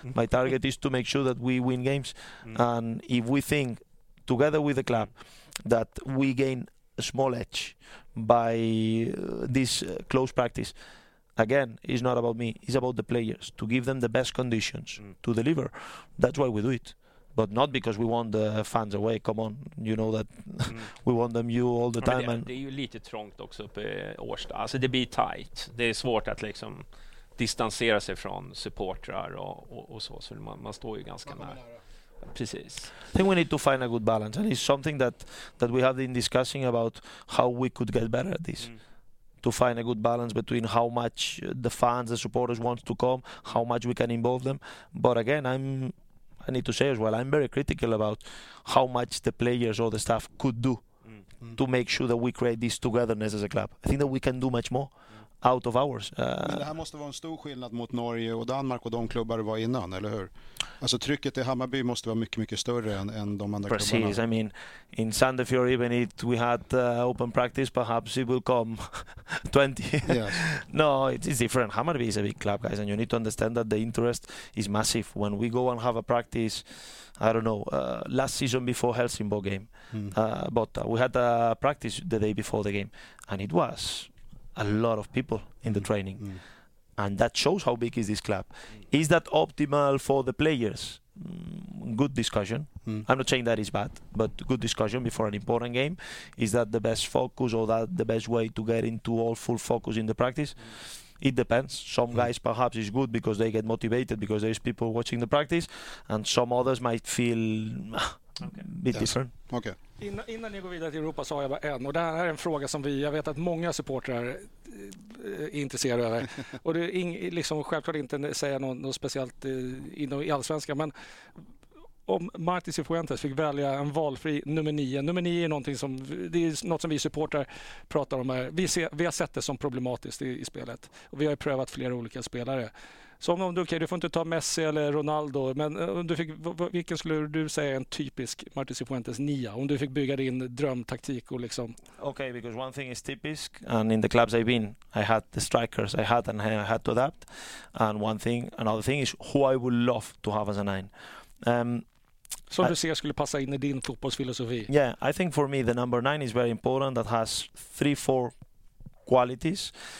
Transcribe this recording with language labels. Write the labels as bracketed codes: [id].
[en] My target is to make sure that we win games. And if we think, together with the club, that we gain a small edge by this close practice. Again, it's not about me. It's about the players, to give them the best conditions to deliver. That's why we do it. But not because we want the fans away. Come on, you know that we want them you all the time. [sv] Men det är ju lite trångt också uppe i Årsta. Alltså det blir tight. Det är svårt att liksom distansera sig från supportrar och så. Så man står ju ganska nära. Precis. [en] I think we need to find a good balance, and it's something that we have been discussing about how we could get better at this. To find a good balance between how much the fans, the supporters want to come, how much we can involve them. But again, I need to say as well, I'm very critical about how much the players or the staff could do to make sure that we create this togetherness as a club. I think that we can do much more out of ours. [sv] Men det här måste vara en stor skillnad mot Norge och Danmark och de klubbar du var innan, eller hur? Alltså trycket i Hammarby måste vara mycket mycket större än de andra precis. Klubbarna. Precis. [en] I mean, in Sandefjord even if we had open practice, perhaps it will come 20. Yes. No, it's different. Hammarby is a big club, guys, and you need to understand that the interest is massive. When we go and have a practice, I don't know, last season before Helsingborg game, but we had a practice the day before the game, and it was a lot of people in the training. And that shows how big is this club. Is that optimal for the players? Good discussion. I'm not saying that is bad, but good discussion before an important game. Is that the best focus or that the best way to get into all full focus in the practice? It depends. Some guys perhaps is good because they get motivated because there's people watching the practice, and some others might feel a bit different. Okay. [sv] Innan ni går vidare till Europa så har jag bara en. Och det här är en fråga som jag vet att många supportrar är intresserade över. Och det är liksom självklart inte säga något speciellt inom allsvenska. Men om Martí Cifuentes fick välja en valfri nummer 9. Nummer 9 är någonting som, det är något som vi supportrar pratar om här. Vi har sett det som problematiskt i spelet. Och vi har ju prövat flera olika spelare. Så om du, okay, du får inte ta Messi eller Ronaldo, men om du fick, vilken skulle du säga en typisk Martí Cifuentes nia? Om du fick bygga din drömtaktik och liksom... [en] Okay, because one thing is typisk, and in the clubs I've been, I had the strikers I had and I had to adapt. And one thing, another thing is who I would love to have as a nine. [sv] Som du ser skulle passa in i din fotbollsfilosofi. [en] Yeah, I think for me the number nine is very important, that has 3-4 qualities.